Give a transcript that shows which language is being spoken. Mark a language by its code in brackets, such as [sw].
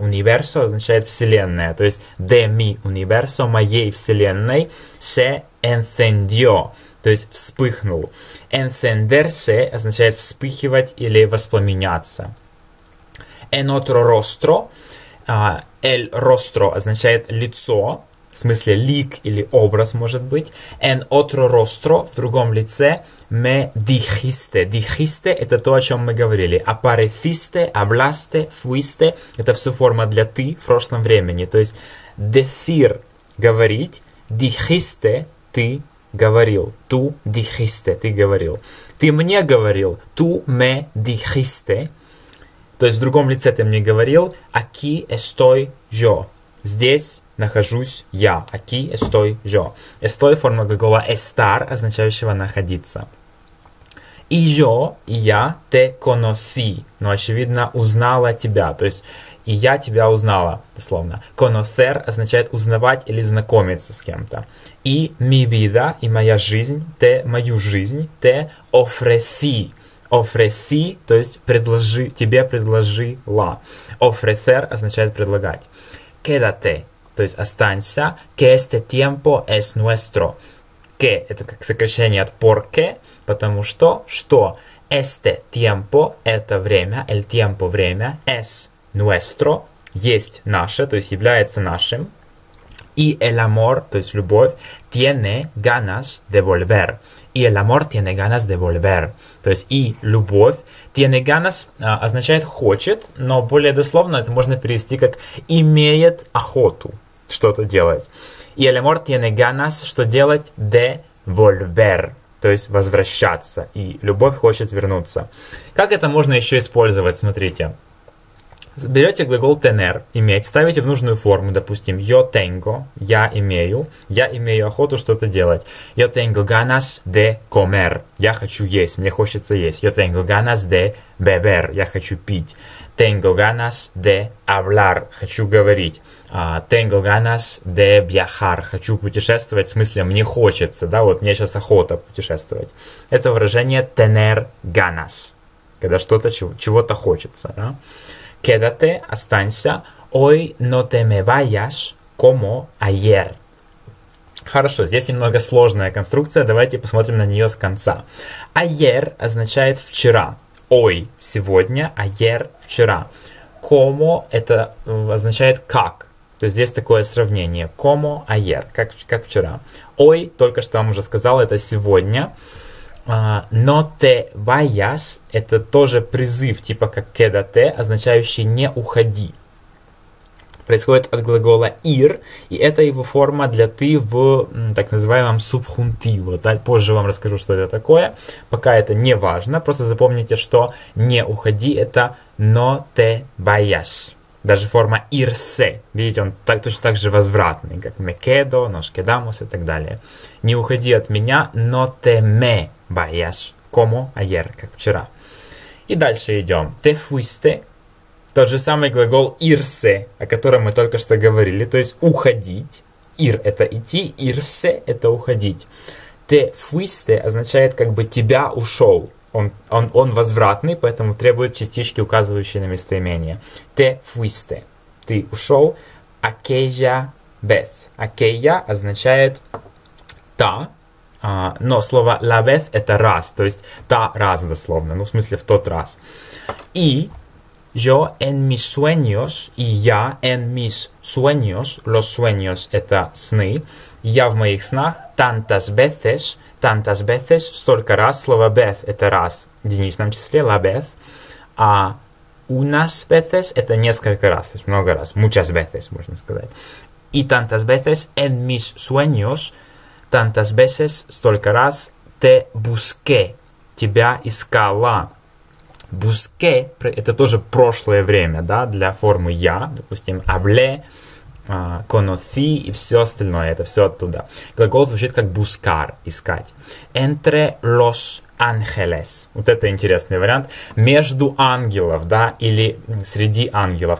[ru] Universo означает вселенная, то есть [es] de mi universo, [ru] моей вселенной, [es] se encendió, [ru] то есть вспыхнул. Encenderse означает вспыхивать или воспламеняться. [es] en otro rostro. [ru] El rostro означает лицо, в смысле лик или образ, может быть. [es] En otro rostro, [ru] в другом лице, [es] me dijiste. [ru] Dijiste – это то, о чем мы говорили. Apareciste, hablaste, fuiste – это все форма для ты в прошлом времени. То есть, decir – говорить, dijiste – ты говорил, tú dijiste – ты говорил. Ты мне говорил, [es] tú me dijiste. [ru] То есть в другом лице ты мне говорил [es] «aquí estoy yo» [ru] – «здесь нахожусь я» – «aquí estoy yo». «Estoy» – форма глагола «estar», означающего «находиться». «И yo» – «я» – [es] «te conocí» [ru] – «ну, очевидно, узнала тебя», то есть «и я тебя узнала», дословно. «Conocer» означает «узнавать» или «знакомиться с кем-то». «И [es] mi vida» [ru] – «и моя жизнь», «te» – «мою жизнь», «te» – «ofrecí». Offreci, то есть предложи, тебе предложила. Offrecer означает предлагать. Quédate, то есть останься. [es] Que este tiempo es nuestro. [ru] Que это как сокращение от porque, потому что, что. [es] Este tiempo, [ru] это время, [es] el tiempo, [ru] время, [es] es nuestro, [ru] есть наше, то есть является нашим. [es] И el amor, [ru] то есть любовь, [es] tiene ganas de volver. И el amor tiene ganas de volver. [ru] То есть и любовь [es] tiene ganas [ru] означает хочет, но более дословно это можно перевести как имеет охоту что-то делать. [es] И el amor tiene ganas [ru] что делать? De volver. То есть возвращаться. И любовь хочет вернуться. Как это можно еще использовать? Смотрите. Берете глагол tener, иметь, ставите в нужную форму, допустим, [es] yo tengo, [ru] я имею охоту что-то делать. [es] Yo tengo ganas de comer, [ru] я хочу есть, мне хочется есть. [es] Yo tengo ganas de beber, [ru] я хочу пить. [es] Tengo ganas de hablar, [ru] хочу говорить. [es] Tengo ganas de viajar, [ru] хочу путешествовать, в смысле, мне хочется, да, вот мне сейчас охота путешествовать. Это выражение [es] tener ganas, [ru] когда что-то, чего-то хочется, да. [es] Quédate, останься. Hoy no te me vayas como ayer. [ru] Хорошо, здесь немного сложная конструкция. Давайте посмотрим на нее с конца. Ayer означает вчера. Hoy – сегодня, ayer – вчера. Como – это означает как. То есть здесь такое сравнение. [es] Como ayer [ru] – как вчера. Hoy – только что вам уже сказал, это сегодня. [es] No te vayas [ru] – это тоже призыв, типа как quédate, означающий «не уходи». Происходит от глагола ir, и это его форма для ты в так называемом субхунтиво. Да? Позже вам расскажу, что это такое. Пока это не важно, просто запомните, что «не уходи» – это [es] no te vayas. [ru] Даже форма irse. Видите, он так, точно так же возвратный, как [es] me quedo, nos quedamos [ru] и так далее. «Не уходи от меня, [es] no te me». Bayas, como ayer, [ru] как вчера. И дальше идем. [es] Te fuiste, [ru] тот же самый глагол irse, о котором мы только что говорили, то есть уходить. Ir это идти, irse это уходить. [es] Te fuiste [ru] означает как бы тебя ушел. Он возвратный, поэтому требует частички, указывающие на местоимение. [es] Te fuiste, [ru] ты ушел. [es] Aquella vez, [ru] aquella означает та. Но слово [es] la vez [ru] это раз, то есть та раз дословно, ну в смысле в тот раз. И yo [es] en mis sueños, [ru] и я en mis sueños, [es] los sueños [ru] это сны, я в моих снах, [es] tantas veces, [ru] столько раз, слово vez это раз в единичном числе, [es] la vez, [ru] а [es] unas veces [ru] это несколько раз, то есть много раз, [es] muchas veces [ru] можно сказать. [es] И tantas veces en mis sueños, tantas veces, [ru] столько раз, [es] te busqué, [ru] тебя искала. Busqué, это тоже прошлое время, да, для формы я, допустим, hablé, conocí и все остальное, это все оттуда. Глагол звучит как buscar, искать. [es] Entre los ángeles. [ru] Вот это интересный вариант. Между ангелов, да, или среди ангелов.